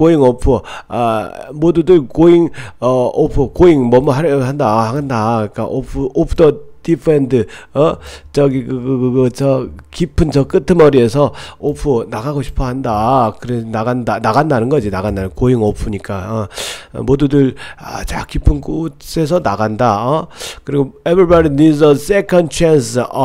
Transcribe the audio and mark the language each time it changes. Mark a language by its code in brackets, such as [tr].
[en] going off [ko] 모두들 [en] going off going [ko] 뭐뭐 하려고 한다. 그러니까 [en] off the deep end [ko] 저기 그 깊은 저 끝머리에서 off 나가고 싶어 한다. 그래 나간다는 거지. 나간다는 going off니까 모두들 자 깊은 곳에서 나간다. [en] 그리고 everybody needs a second chance.